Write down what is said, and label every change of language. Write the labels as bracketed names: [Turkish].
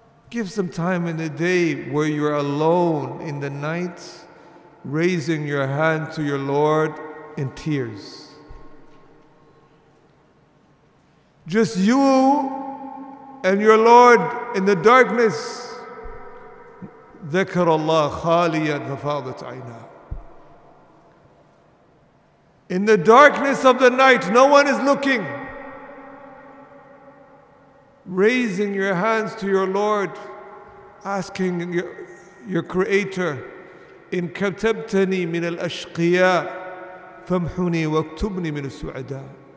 [English] Give some time in the day where you're alone in the night, raising your hand to your Lord in tears. Just you and your Lord in the darkness. [Arabic] ذكر الله خاليا ففاضت عيناه. [English] In the darkness of the night, no one is looking. Raising your hands to your Lord, asking your Creator, [Arabic] إن كتبتني من الأشقياء فامحني واكتبني من السعداء.